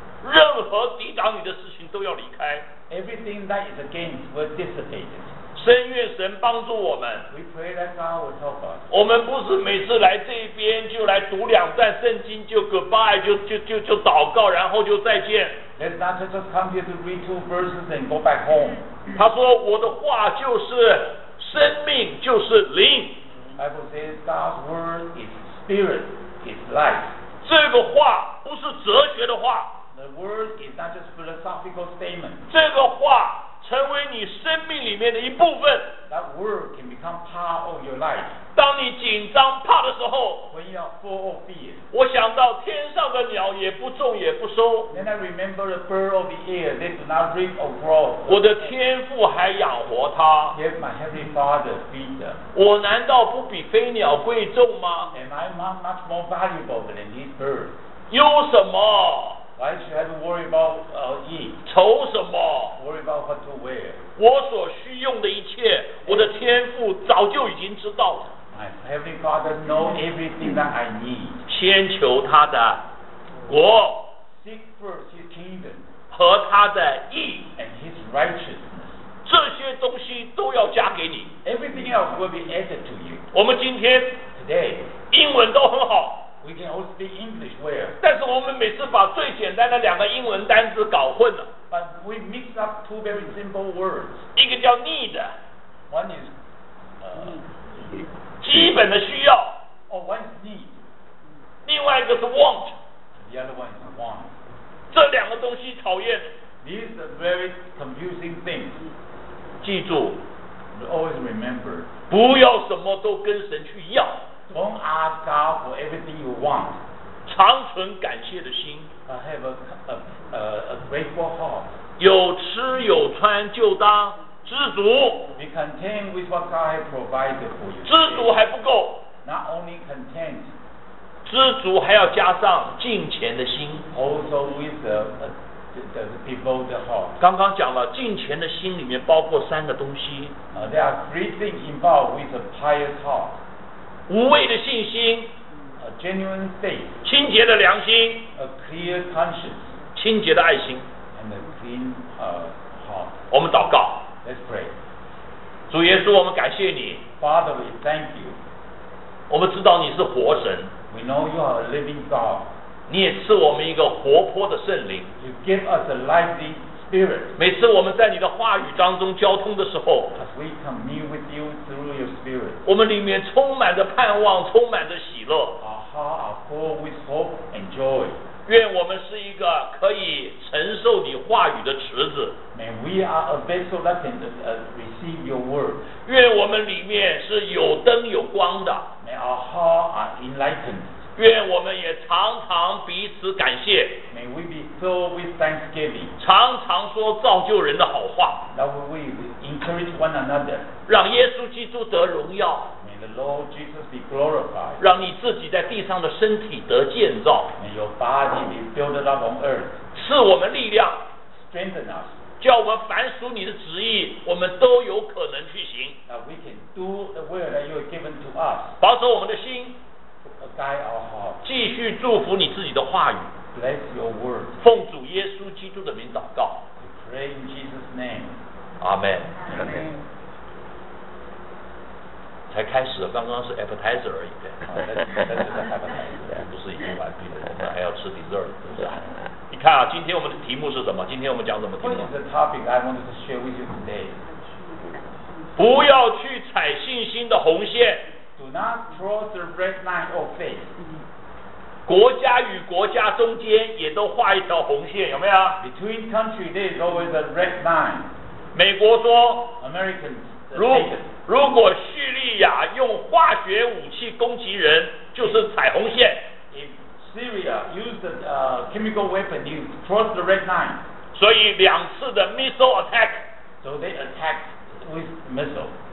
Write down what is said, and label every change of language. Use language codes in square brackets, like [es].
[zh] 任何抵挡你的事情都要离开。 [en] Everything that is against will dissipate. [zh] 深愿神帮助我们。 [en] We pray that God will help us. [zh] 我们不是每次来这边就来读两段圣经就 [en] goodbye [zh] 就祷告然后就再见。 [en] Let's not just come here to read two verses and go back home. [zh] 他说我的话就是生命就是灵。 [en] Bible says God's word is spirit, is life. [zh] 这个话不是哲学的话 [en] The word is not just philosophical statement. [zh] 这个话成为你生命里面的一部分 [en] That word can become part of your life. [zh] 当你紧张怕的时候 [en] When you are full of fear. [zh] 我想到天上的鸟也不种也不收 [en] Then I remember the bird of the air. They do not reap or grow. [zh] 我的天父还养活它 [en] Yet my heavenly father feeds them. [zh] 我难道不比飞鸟贵重吗 [en] Am I much more valuable than these birds? [zh] 有什么 [en] Why should I have to worry about eat? [zh] 愁什么？ [en] Worry about what to wear. [zh] 我所需用的一切，我的天父早就已经知道了。 [en] My heavenly Father knows everything that I need. [zh] 先求他的国。 [en] Seek first His kingdom. [zh] 和他的义。 [en] And His righteousness. [zh] 这些东西都要加给你。 [en] Everything else will be added to you. [zh] 我们今天 [en] today [zh] 英文都很好。 [en] We can also speak English well. [zh] 但是我们每次把最简单的两个英文单词搞混了。 [en] But we mix up two very simple words. [zh] 一个叫 need. [en] One is [zh] 基本的需要。 [en] Oh, one is need. [zh] 另外一个是 want. [en] The other one is want. [zh] 这两个东西讨厌。 [en] These are very confusing things. [zh] 记住。 [en] Always remember. [zh] 不要什么都跟神去要。 [en] Don't ask God for everything you want. [zh] 常存感谢的心。 [en] I have a grateful heart. [zh] 有吃有穿就当知足。 [en] Be content with what God has provided for you. [zh] 知足还不够。 [en] Not only content. [zh] 知足还要加上敬虔的心。 [en] Also with the devoted heart. [zh] 刚刚讲了敬虔的心里面包括三个东西。 [en] There are three things involved with a pious heart. [zh] 无畏的信心 [en] a genuine faith, [zh] 清洁的良心 [en] a clear conscience, [zh] 清洁的爱心 [en] and a clean, heart. [zh] 我们祷告 [en] Let's pray. [zh] 主耶稣我们感谢你 [en] Father we thank you [zh] 我们知道你是活神 [en] We know you are a living God [zh] 你也赐我们一个活泼的圣灵 [en] You give us a lively spirit [zh] 每次我们在你的话语当中交通的时候 [en] As we commune with youSpirit. [zh] 我们里面充满着盼望，充满着喜乐。 [en] Our hearts are full with hope and joy. [zh] 愿我们是一个可以承受你话语的池子。 [en] May we are a vessel that can receive your word. [zh] 愿我们里面是有灯有光的。 [en] May our hearts are enlightened. [zh] 愿我们也常常彼此感谢。 [en] May we be filled with thanksgiving. [zh] 常常说造就人的好话。 [en] That we encourage one another. [zh] 让耶稣基督得荣耀 [en] May the Lord Jesus be glorified. [zh] 让你自己在地上的身体得建造 [en] May your body be built up on earth. [zh] 赐我们力量 [en] Strengthen us. [zh] 叫我们凡属你的旨意我们都有可能去行 [en] That we can do the will that you have given to us. [zh] 保守我们的心 [en] Guide our heart. [zh] 继续祝福你自己的话语 [en] Bless your word. [zh] 奉主耶稣基督的名祷告 [en] We pray in Jesus' name. Amen. Amen. [zh] 才开始刚刚是 appetizer 而已但是 appetizer 不是已经完毕了我们还要吃 dessert 是不是你看啊今天我们的题目是什么今天我们讲什么题目 [en] What is the topic I wanted to share with you today [zh] 不要去踩信心的红线 [en] Do not cross the red line of faith [zh] 国家与国家中间也都画一条红线有没有 [en] Between country there is always a red line [zh] 美国说 [en] Americans [zh] 如果叙利亚用化学武器攻击人，就是踩红线。 [en] If Syria used chemical weapon, you cross the red line. [zh] 所以两次的 [en] missile attack. So they attacked with missile.